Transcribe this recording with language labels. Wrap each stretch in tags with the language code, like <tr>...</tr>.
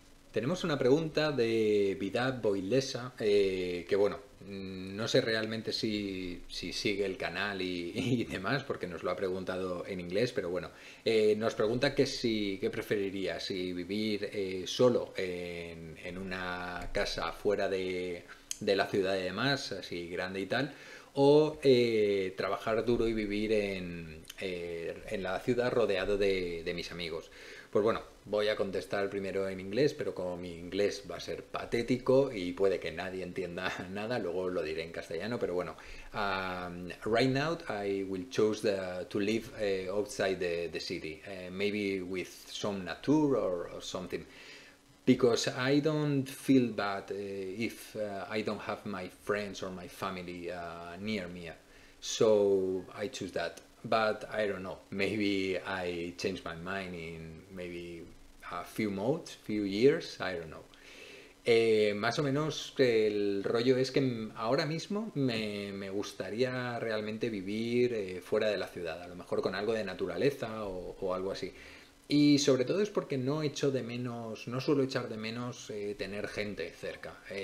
<es>Tenemos una pregunta de Vidad Boilesa, que bueno, no sé realmente si sigue el canal y demás, porque nos lo ha preguntado en inglés, pero bueno, nos pregunta qué preferiría, si vivir solo en una casa fuera de la ciudad y demás, así grande y tal, o trabajar duro y vivir en la ciudad rodeado de mis amigos. Pues bueno, voy a contestar primero en inglés, pero como mi inglés va a ser patético y puede que nadie entienda nada, luego lo diré en castellano, pero bueno.</es> <en>Right now I will choose to live outside the city, maybe with some nature or something. Because I don't feel bad if I don't have my friends or my family near me. So I choose that. But I don't know, maybe I change my mind in maybe a few months, few years, I don't know.</en> <es>Más o menos el rollo es que ahora mismo me gustaría realmente vivir fuera de la ciudad, a lo mejor con algo de naturaleza o algo así. Y sobre todo es porque no echo de menos, no suelo echar de menos tener gente cerca.</es>